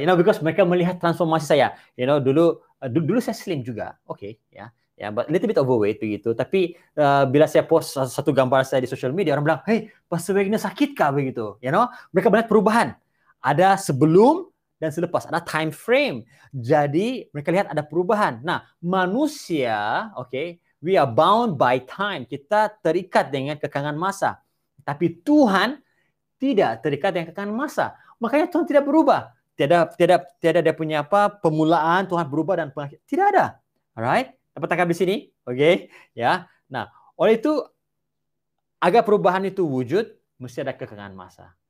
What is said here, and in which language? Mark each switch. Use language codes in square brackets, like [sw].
[en] You know, [ms] because mereka melihat transformasi saya. You know, dulu dulu saya slim juga. Okay, ya. [en] Yeah, but a little bit overweight [ms] begitu. Tapi bila saya post satu gambar saya di social media, orang bilang, hey, Pastor Wagner sakit kah begitu? You know, mereka melihat perubahan. Ada sebelum dan selepas. Ada time frame. Jadi mereka lihat ada perubahan. Nah, manusia, [en] okay, we are bound by time. [ms] Kita terikat dengan kekangan masa. Tapi Tuhan tidak terikat dengan kekangan masa. Makanya Tuhan tidak berubah. Tidak dia punya apa pemulaan Tuhan berubah dan pengakhir. Tidak ada. Alright? Dapat tangkap di sini? Okay. Ya. Nah, oleh itu, agar perubahan itu wujud, mesti ada kekangan masa.